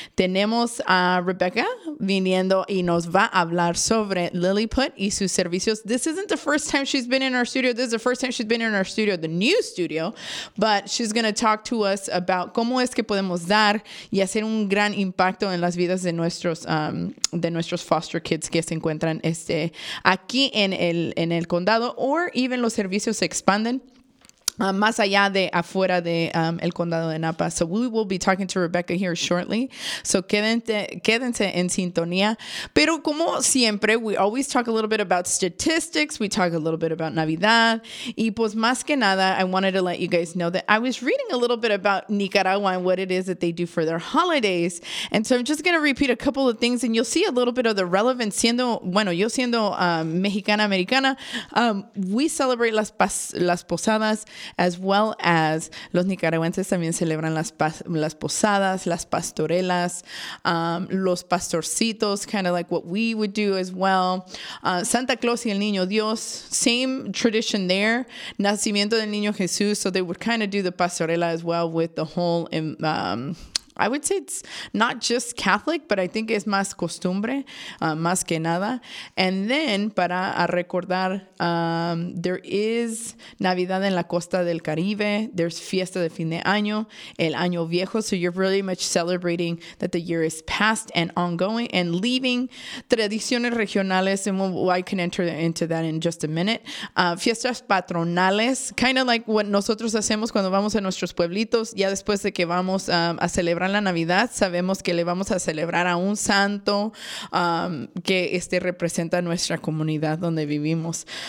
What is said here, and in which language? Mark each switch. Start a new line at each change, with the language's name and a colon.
Spanish: Tenemos a Rebecca viniendo y nos va a hablar sobre Lilliput y sus servicios.
English: This isn't the first time she's been in our studio. This is the first time she's been in our studio, the new studio. But she's going to talk to us about
Spanish: cómo es que podemos dar y hacer un gran impacto en las vidas de nuestros foster kids que se encuentran aquí en el condado.
English: Or even
Spanish: los servicios se expanden. Más allá de afuera de el condado de Napa.
English: So we will be talking to Rebecca here shortly. So
Spanish: quédense en sintonía. Pero como siempre,
English: we always talk a little bit about statistics. We talk a little bit about Navidad.
Spanish: Y pues más que nada,
English: I wanted to let you guys know that I was reading a little bit about Nicaragua and what it is that they do for their holidays. And so I'm just going to repeat a couple of things and you'll see a little bit of the relevance.
Spanish: Yo siendo mexicana-americana,
English: we celebrate
Spanish: las posadas.
English: As well as
Spanish: los nicaragüenses también celebran las posadas, las pastorelas, los pastorcitos,
English: kind of like what we would do as well. Santa Claus y el Niño Dios, same tradition there.
Spanish: Nacimiento del Niño Jesús,
English: so they would kind of do the pastorela as well with the whole... I would say it's not just Catholic, but I think it's
Spanish: más costumbre, más que nada.
English: And then,
Spanish: para recordar,
English: there is
Spanish: Navidad en la costa del Caribe.
English: There's
Spanish: fiesta de fin de año, el año viejo.
English: So you're really much celebrating that the year is past and ongoing and leaving
Spanish: tradiciones regionales.
English: And I can enter into that in just a minute.
Spanish: Fiestas patronales,
English: kind of like what
Spanish: nosotros hacemos cuando vamos a nuestros pueblitos, ya después de que vamos a celebrar la Navidad, sabemos que le vamos a celebrar a un santo que representa nuestra comunidad donde vivimos.